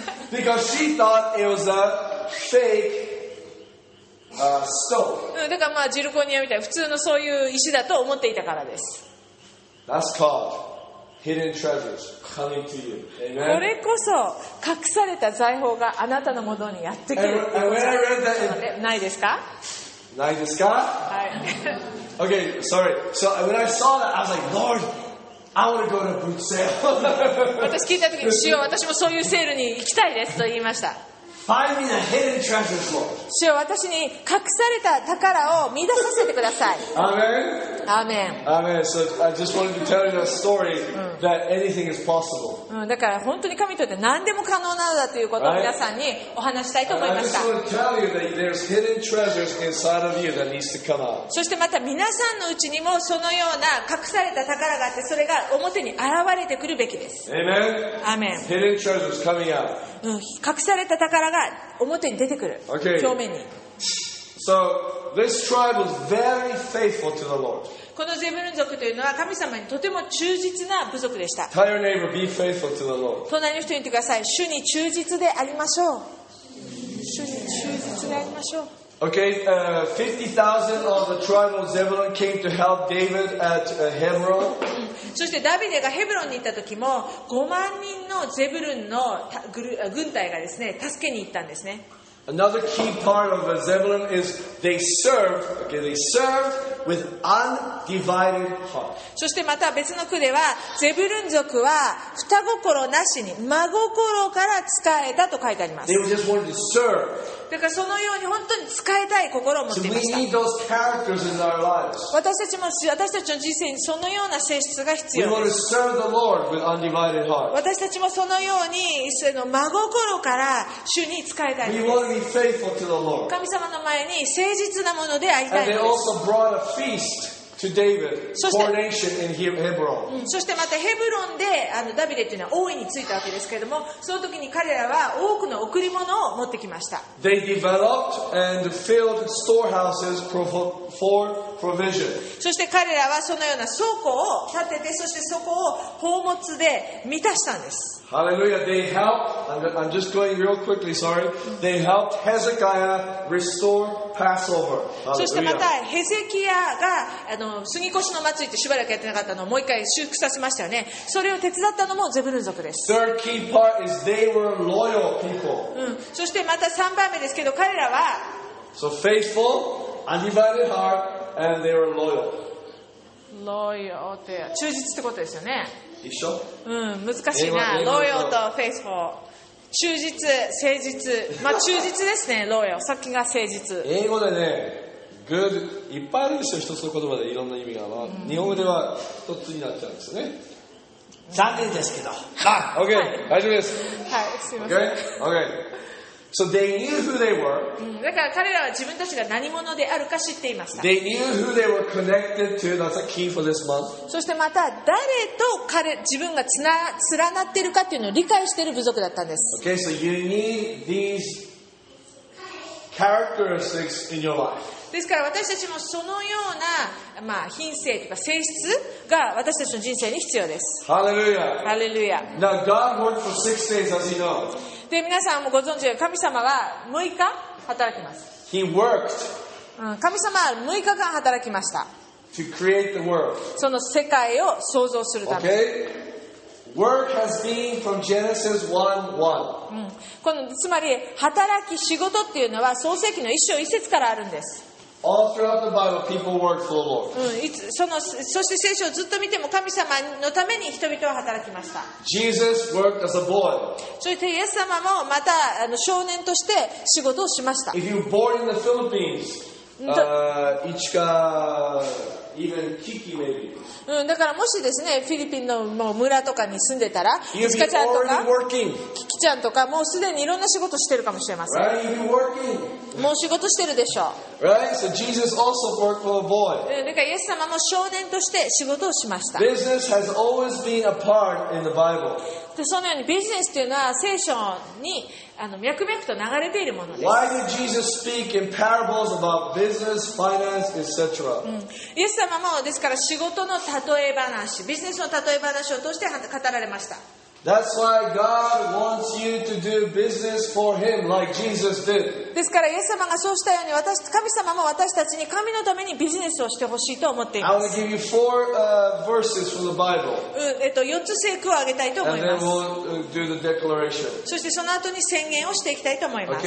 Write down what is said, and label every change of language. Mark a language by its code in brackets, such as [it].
[en] Because she thought it was a fake、stone. [ja] だからまあジルコニアみたいな普通のそういう石だと思っていたからです。 [en] That's calledHidden treasures coming to you. Amen. [ja] これこそ隠された財宝があなたのもとにやってくるってことじゃないですか？ないですか？はい。 [en] Okay, sorry. So when I saw that, I was like, Lord, I want to go to boot sale. [ja] 私聞いた時に、主よ、私もそういうセールに行きたいですと言いました。 [en] Find me the hidden treasures, Lord. [ja] 主よ、私に隠された宝を見出させてください。 [en] Amen. Amen. Amen. So I just wanted to tell you the story that anything is possible. [ja] だから本当に神にとって何でも可能なのだということを皆さんにお話したいと思いました。 [en] I just want to tell you that there's hidden treasures inside of you that needs to come out. [ja] そしてまた皆さんのうちにもそのような隠された宝があって、それが表に現れてくるべきです。 [en] Amen. Amen. Hidden treasures coming out. [ja] 隠された宝が表に出てくる。 [en] Okay. [ja] 表面に。 [en] So this tribe was very faithful to the Lord. [ja] このゼブルン族というのは神様にとても忠実な部族でした。 [en] Tell your neighbor, be faithful to the Lord. [ja] 隣の人に言ってください。主に忠実でありましょう。主に忠実でありましょう。 [en] Okay, 50,000 of the tribe of Zebulun came to help David at Hebron. [ja] そしてダビデがヘブロンに行った時も、5万人のゼブルンの軍隊がですね、助けに行ったんですね。 [en] Another key part of the Zebulun is they served, okay, they served with undivided heart. [ja] そしてまた別の区では、ゼブルン族は双心なしに、真心から使えたと書いてあります。 [en] They just wanted to serve. [ja] だからそのように本当に使いたい心を持っていました。 [en] So we need those characters in our lives. [ja] 私たちの人生にそのような性質が必要です。 [en] We want to serve the Lord with undivided heart. [ja] 私たちもそのようにその真心から主に使いたいです。 [en] We want to be faithful to the Lord. [ja] 神様の前に誠実なものでありたいです。 [en] And they also brought a feast to David, coronation in Hebron. [ja] そしてまたヘブロンでダビデというのは王位についたわけですけれども、その時に彼らは多くの贈り物を持ってきました。 [en] They developed and filled storehouses for provision. [ja] そして彼らはそのような倉庫を建てて、そしてそこを宝物で満たしたんです。 [en] Hallelujah. They helped, I'm just going real quickly, sorry. They helped Hezekiah restore Passover. [ja] そしてまた、ヘゼキヤが、杉越の祭りってしばらくやってなかったのをもう一回修復させましたよね。それを手伝ったのもゼブルン族です。 [en] Third key part is they were loyal people. [ja] そしてまた3番目ですけど、彼らは、 [en] So faithful, undivided heart, and they were loyal. [ja] Loyal って、忠実ってことですよね。一緒？難しいな。ロイヤルとフェイスフォー。忠実、誠実。まあ忠実ですね、ロイヤル。さっきが誠実。英語でね、good、いっぱいあるんですよ、一つの言葉でいろんな意味が。まあ、日本語では一つになっちゃうんですね。残念ですけど。あ、OK、はい、大丈夫です。はい、すみません。 [en] OK、OK。 So they knew who they were. [ja] だから彼らは自分たちが何者であるか知っていました。 [en] They knew who they were connected to. That's a key for this month. [ja] そしてまた誰と彼自分が連なっているかというのを理解している部族だったんです。 [en] Okay, so you need these characteristics in your life. [ja] ですから私たちもそのような、まあ、品性とか性質が私たちの人生に必要です。 [en] Hallelujah. Hallelujah. Now God worked for 6 days, as you know. [ja] で皆さんもご存知、神様は6日働きます。 [en] He worked. [ja] 神様は6日間働きました。 [en] to create the world. [ja] その世界を創造するため。 [en] Okay? Work has been from Genesis 1:1. [ja] このつまり働き仕事っていうのは創世記の一章一節からあるんです。 [en] All throughout the Bible, people work for the Lord. [ja] そして聖書をずっと見ても神様のために人々は働きました。 [en] Jesus worked as a boy. [ja] そしてイエス様もまた少年として仕事をしました。 [en] If you were born in the Philippines, Ichika, even Kiki maybe. [ja] だからもしですね、フィリピンのもう村とかに住んでたら、イチカちゃんとか、キキちゃんとか、もうすでにいろんな仕事してるかもしれません。 [en] Right? You're working. [ja] もう仕事してるでしょう。 [en] Right? So Jesus also worked for a boy. [ja] だからイエス様も少年として仕事をしました。 [en] Business has always been a part in the Bible. [ja] で、そのようにビジネスというのは聖書に脈々と流れているものです。 [en] Why did Jesus speak in parables about business, finance, etc.? [ja] イエス様もですから仕事の例え話、ビジネスの例え話を通して語られました。 [en] That's why God wants you to do business for Him like Jesus did. [ja] ですからイエス様がそうしたように私神様も私たちに神のためにビジネスをしてほしいと思っています。 [en] I will give you four verses from the Bible. [ja] 4つ聖句を挙げたいと思います。 [en] And then we'll do the declaration. [ja] そしてその後に宣言をしていきたいと思います。